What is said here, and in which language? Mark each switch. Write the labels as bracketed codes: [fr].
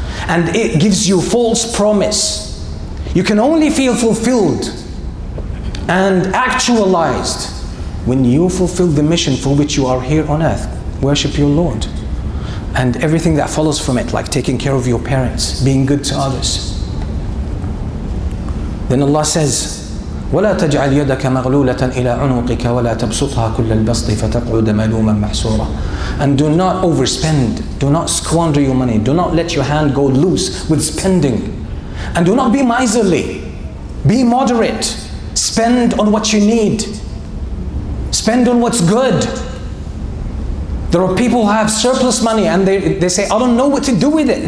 [en] And it gives you false promise. You can only feel fulfilled and actualized when you fulfill the mission for which you are here on earth. Worship your Lord. And everything that follows from it, like taking care of your parents, being good to others. Then Allah says, [ar] وَلَا تَجْعَلْ يَدَكَ مَغْلُولَةً إِلَى عُنُقِكَ وَلَا تَبْسُطْهَا كُلَّ الْبَسْطِ فَتَقْعُدَ مَلُومًا مَحْسُورًا. [en] And do not overspend. Do not squander your money. Do not let your hand go loose with spending. And do not be miserly. Be moderate. Spend on what you need. Spend on what's good. There are people who have surplus money and they say, I don't know what to do with it.